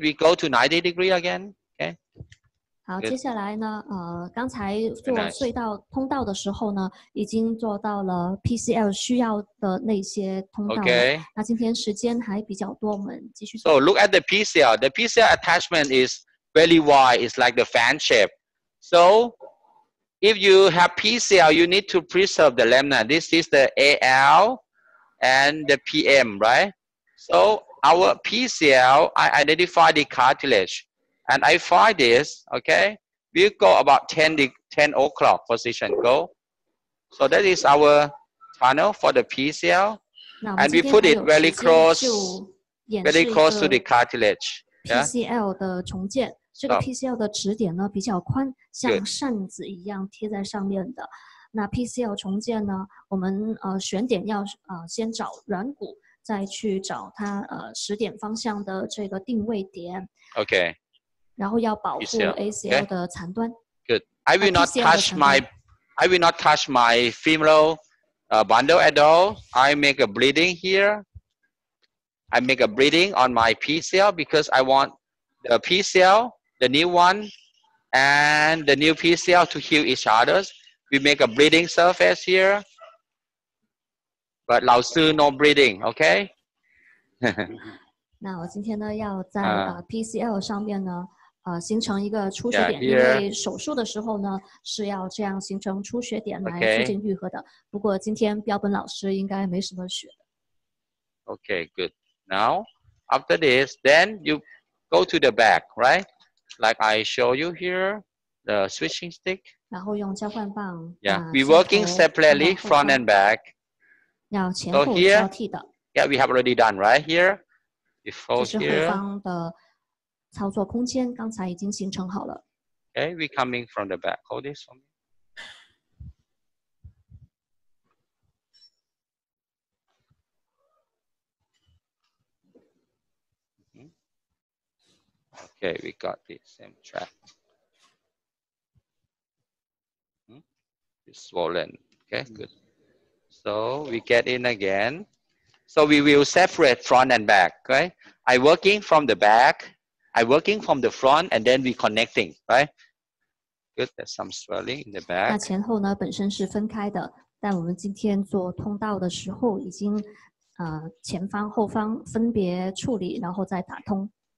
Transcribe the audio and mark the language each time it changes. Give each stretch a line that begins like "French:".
English: We go to 90 degree again. Okay.
Chinese: 好，接下来呢，刚才做隧道通道的时候呢，已经做到了 PCL 需要的那些通道。
English: Okay.
Chinese: 那今天时间还比较多，我们继续。
English: So look at the PCL. The PCL attachment is very wide. It's like the fan shape. So if you have PCL, you need to preserve the lamina. This is the AL and the PM, right? So our PCL, I identify the cartilage. And I find this, okay, we go about 10 o'clock position, go. So that is our tunnel for the PCL. And we put it very close, very close to the cartilage.
Chinese: PCL 的重建，这个 PCL 的指点呢比较宽，像扇子一样贴在上面的。那 PCL 重建呢，我们选点要先找软骨，再去找它始点方向的这个定位点。
English: Okay.
Chinese: 然后要保护 ACL 的残端。
English: Good. I will not touch my femoral bundle at all. I make a bleeding here. I make a bleeding on my PCL because I want the PCL, the new one, and the new PCL to heal each other. We make a bleeding surface here. But 老师 no bleeding, okay?
Chinese: 那我今天呢，要在PCL 上面呢。形成一个出血点，
English: yeah,
Chinese: 因为手术的时候呢是要这样形成出血点来促进愈合的。
English: Okay.
Chinese: 不过今天标本老师应该没什么血的。
English: Okay, good. Now, after this, then you go to the back, right? Like I show you here, the switching stick.
Chinese: 然后用交换棒。
English: Yeah, we working separately, front and back.
Chinese: 要前后交替的。
English: So、here, yeah, we have already done, right? Here, we fold here.
Chinese: 这是后方的。操作空间刚才已经形成好了。
English: Okay, we coming from the back. Hold this for me. Okay, we got the same track. It's swollen. Okay, good. So we get in again. So we will separate front and back. Okay, I working from the back. I working from the front and then we connecting, right? Good, there's some swelling in the back.
Chinese: 那前后呢本身是分开的，但我们今天做通道的时候已经前方后方分别处理然后再打通。